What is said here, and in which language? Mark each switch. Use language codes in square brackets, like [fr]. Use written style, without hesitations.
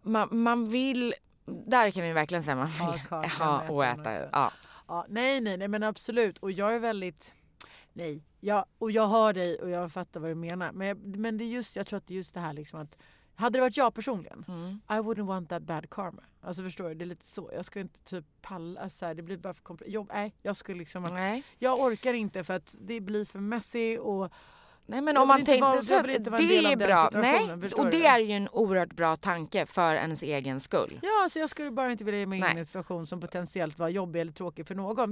[sv] Man vill... Där kan vi verkligen säga man vill ha och äta. Ja. Ja, nej, men absolut. Och jag är väldigt... Nej. Ja, och jag hör dig och jag fattar vad du menar. Men det är just, jag tror att det är just det här liksom att... Hade det varit jag personligen, [en] I wouldn't want that bad karma. [sv] Alltså förstår du, det är lite så. Jag skulle inte typ palla så här, det blir bara för komplicerat. Jag skulle liksom... Nej. Jag orkar inte för att det blir för messy och... Nej, men om man tänkte så att det är bra. Nej, och det är ju en oerhört bra tanke för ens egen skull. Ja, så jag skulle bara inte vilja ge mig in i en situation som potentiellt var jobbig eller tråkig för någon.